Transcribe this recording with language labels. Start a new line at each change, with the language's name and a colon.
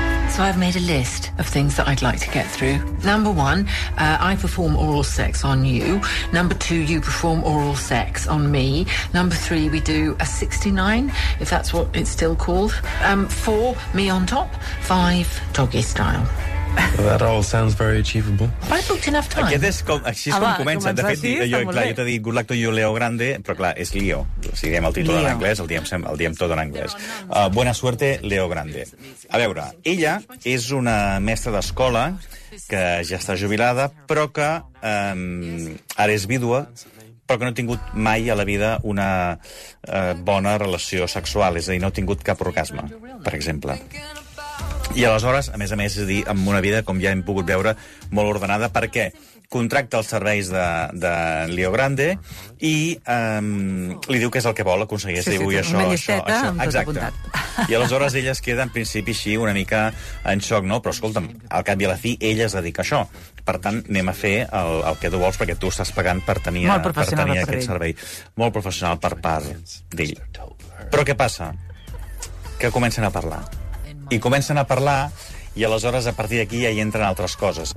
English: So I've made a list of things that I'd like to get through. Number one, I perform oral sex on you. Number two, you perform oral sex on me. Number three, we do a 69, if that's what it's still called. Four, me on top. Five, doggy style. Well, that all sounds very achievable. I booked enough time.
Catalan: Aquest és com, així és com comença. De fet, sí, jo t'he dit Good Luck to you, Leo Grande, però clar, és Leo. Si diem el títol Leo. En anglès, el diem tot en anglès.
Spanish: Buena suerte, Leo Grande.
Catalan: A veure, ella és una mestra d'escola que ja està jubilada, però que ara és vídua, però que no ha tingut mai a la vida una bona relació sexual. És a dir, no ha tingut cap orgasme, per exemple. I aleshores, a més, és a dir, amb una vida, com ja hem pogut veure, molt ordenada, perquè contracta els serveis de Leo Grande i li diu que és el que vol aconseguir. Sí, vull això. Exacte. I aleshores ella es queda, en principi, així, una mica en xoc, no? Però, escolta'm, al cap i a la fi, ella es dedica a això. Per tant, anem a fer el que tu vols, perquè tu estàs pagant per tenir aquest servei. Molt professional per part d'ell. Però què passa? Que comencen a parlar. I comencen a parlar, i aleshores a partir d'aquí ja hi entren altres coses.